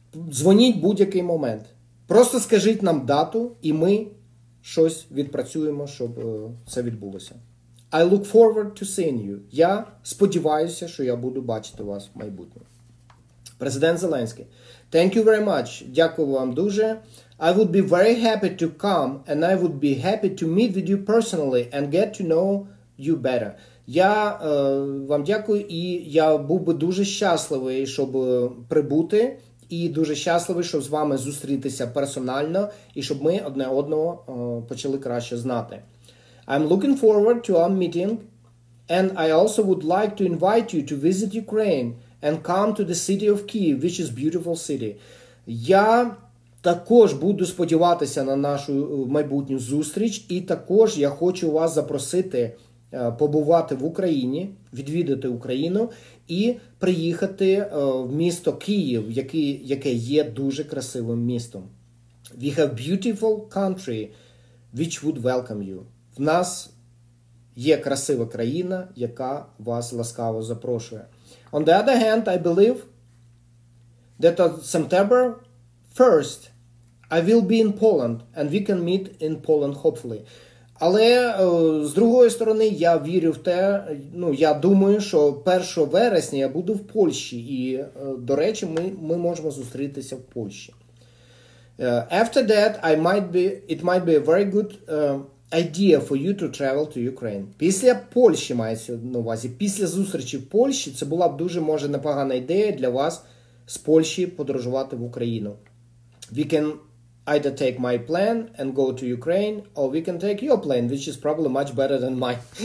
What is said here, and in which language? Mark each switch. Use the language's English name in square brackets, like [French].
[Ukrainian] Дзвоніть будь-який момент. Просто скажіть нам дату, і ми щось відпрацюємо, щоб це відбулося. [English] I look forward to seeing you. [Ukrainian] Я сподіваюся, що я буду бачити вас в майбутньому. Президент Зеленський. [English] Thank you very much. [Ukrainian] Дякую вам дуже. [English] I would be very happy to come, and I would be happy to meet with you personally and get to know you better. [Ukrainian] Я вам дякую, і я був би дуже щасливий, щоб прибути, і дуже щасливий, щоб з вами зустрітися персонально, і щоб ми одне одного почали краще знати. [English] I'm looking forward to our meeting, and I also would like to invite you to visit Ukraine and come to the city of Kyiv, which is a beautiful city. [Ukrainian] Я також буду сподіватися на нашу майбутню зустріч, і також я хочу вас запросити побувати в Україні, відвідати Україну і приїхати в місто Київ, яке є дуже красивим містом. [English] We have beautiful country which would welcome you. [Ukrainian] В нас є красива країна, яка вас ласкаво запрошує. [English] On the other hand, I believe that on September 1st I will be in Poland and we can meet in Poland hopefully. [Ukrainian] Але, з другої сторони, я вірю в те, ну, я думаю, що 1 вересня я буду в Польщі. І, до речі, ми можемо зустрітися в Польщі. [English] After that, it might be a very good idea for you to travel to Ukraine. [Ukrainian] Після Польщі, мається на увазі, після зустрічі в Польщі, це була б дуже, може, непогана ідея для вас з Польщі подорожувати в Україну. [English] We can either take my plan and go to Ukraine, or we can take your plan, which is probably much better than mine.